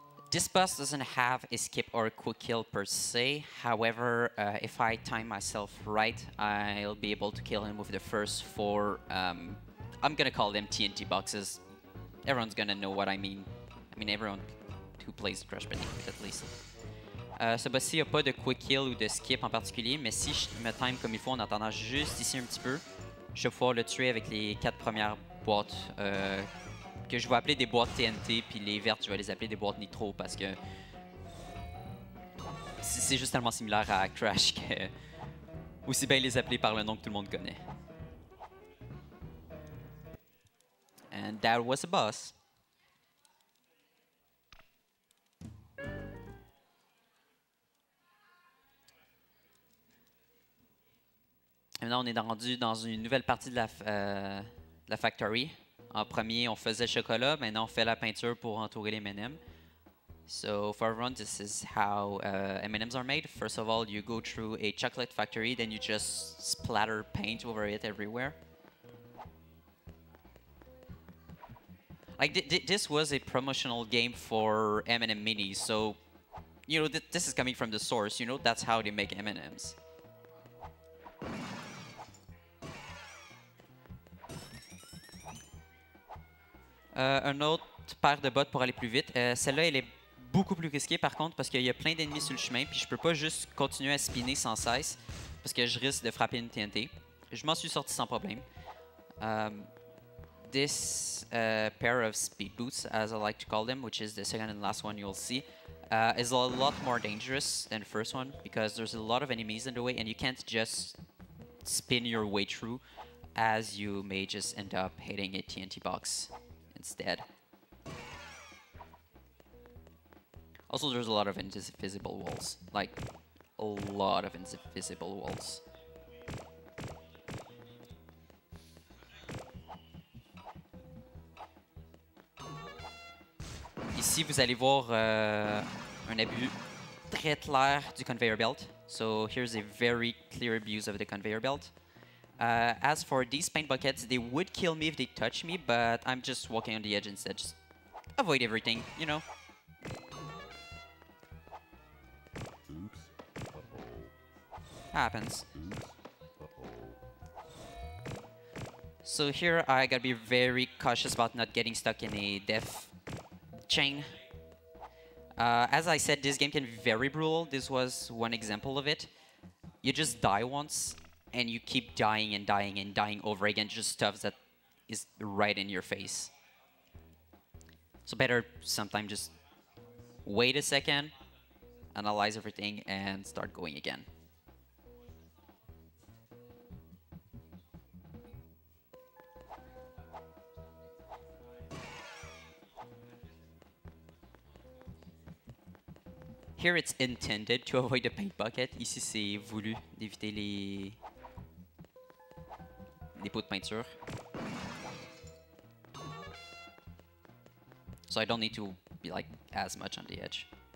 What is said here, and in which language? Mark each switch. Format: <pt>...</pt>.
<en>This boss doesn't have a skip or a quick kill per se. However, if I time myself right, I'll be able to kill him with the first four, I'm going to call them TNT boxes. Everyone's going to know what I mean. I mean, everyone who plays Crash Bandicoot at least.</en> <fr>Ce boss-ci n'a pas de quick kill ou de skip en particulier, mais si je me time comme il faut en attendant juste ici un petit peu, je vais pouvoir le tuer avec les 4 premières boîtes que je vais appeler des boîtes TNT, puis les vertes je vais les appeler des boîtes Nitro parce que c'est juste tellement similaire à Crash que aussi bien les appeler par le nom que tout le monde connaît.</fr> <en>And that was the boss.</en> <fr>Et maintenant, on est rendu dans une nouvelle partie de la factory. En premier, on faisait le chocolat. Maintenant, on fait la peinture pour entourer les M&M.</fr> <en>So, for everyone, this is how M&M's are made. First of all, you go through a chocolate factory, then you just splatter paint over it everywhere. Like, this was a promotional game for M&M Mini. So, you know, this is coming from the source. You know, that's how they make M&M's.</en> <fr>Un autre paire de bottes pour aller plus vite. Celle-là, elle est beaucoup plus risquée par contre parce qu'il y a plein d'ennemis sur le chemin puis je peux pas juste continuer à spinner sans cesse parce que je risque de frapper une TNT. Je m'en suis sorti sans problème.</fr> <en>This pair of speed boots, as I like to call them, which is the second and last one you'll see, is a lot more dangerous than the first one because there's a lot of enemies in the way and you can't just spin your way through as you may just end up hitting a TNT box. Instead. Also, there's a lot of invisible walls. Like, a lot of invisible walls. Ici, vous allez voir un abus très clair du conveyor belt. So, here's a very clear abuse of the conveyor belt. As for these paint buckets, they would kill me if they touch me, but I'm just walking on the edge instead. Just avoid everything, you know. Oops. Happens. So here I gotta be very cautious about not getting stuck in a death chain. As I said, this game can be very brutal. This was one example of it. You just die once. And you keep dying and dying and dying over again, just stuff that is right in your face. So better sometimes just wait a second, analyze everything, and start going again. Here it's intended to avoid the paint bucket.</en> <fr>Ici c'est voulu d'éviter les pots de peinture.</fr> <en>So I don't need to be like as much on the edge.</en>